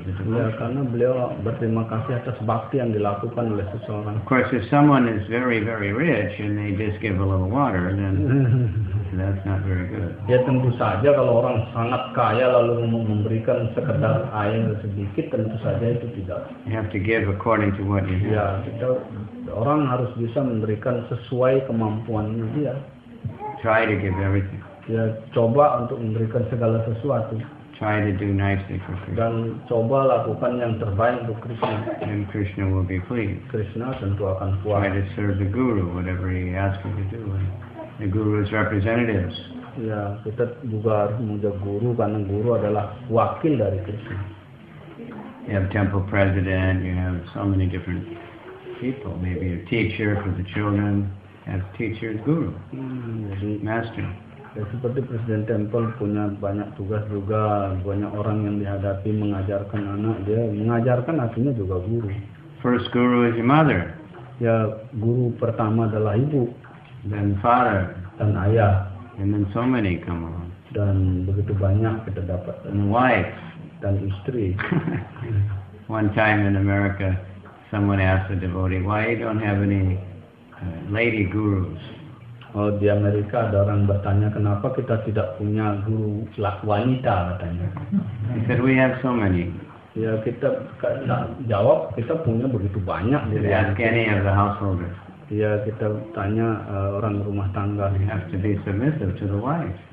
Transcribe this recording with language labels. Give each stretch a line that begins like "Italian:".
Indonesian: Ya, karena beliau berterima kasih atas bhakti yang dilakukan oleh seseorang.
English: Of course, if someone is very, very rich and they just give a little water, then that's not very good.
Indonesian: Ya, tentu saja kalau orang sangat kaya lalu memberikan sekedar air sedikit, tentu saja itu tidak.
English: You have to give according to what you have.
Indonesian: Ya, orang harus bisa memberikan sesuai kemampuannya dia.
English: Try to give everything.
Indonesian: Ya, coba untuk memberikan segala sesuatu.
English: Try to do nicely for Krishna.
Indonesian: Dan coba lakukan yang terbaik untuk Krishna.
English: Then Krishna will be pleased.
Indonesian: Krishna tentu akan puas.
English: Try to serve the guru, whatever he asks you to do. And the guru's representatives.
Indonesian: Ya, kita juga harus menuju guru, karena guru adalah wakil dari Krishna.
English: You have temple president, you have so many different people. Maybe a teacher for the children. Have teachers, guru, master.
Indonesian: Ya, seperti presiden temple punya banyak tugas juga, banyak orang yang dihadapi mengajarkan anak, dia mengajarkan artinya juga guru.
English: First guru is your mother.
Indonesian: Ya, guru pertama adalah ibu.
English: Then father.
Indonesian: Dan ayah.
English: And then so many come along.
Indonesian: Dan begitu banyak kita dapat.
English: And wife.
Indonesian: Dan istri.
English: One time in America, someone asked a devotee, why you don't have any lady gurus?
Indonesian: Oh, di Amerika ada orang bertanya, kenapa kita tidak punya guru wanita, katanya.
English: He said, we have so many.
Indonesian: Ya, kita jawab, kita punya begitu banyak.
English: Did you ask any of the householders?
Indonesian: Ya, kita tanya orang rumah tangga.
English: You have to be submissive to the wife.